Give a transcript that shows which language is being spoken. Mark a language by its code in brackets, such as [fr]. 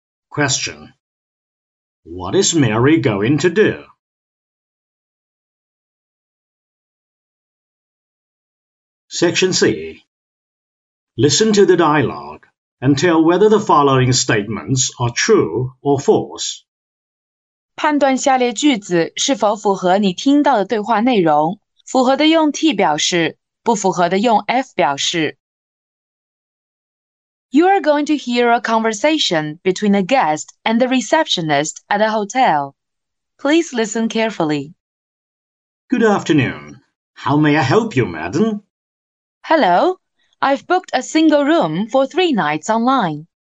[en] Question. What is Mary going to do? Section C. Listen to the dialogue and tell whether the following statements are true or false. [zh] 判断下列句子是否符合你听到的对话内容。符合的用 T 表示，不符合的用 F 表示。 [en] You are going to hear a conversation between a guest and the receptionist at a hotel. Please listen carefully. Good afternoon. How may I help you, madam? Hello. I've booked a single room for 3 nights online.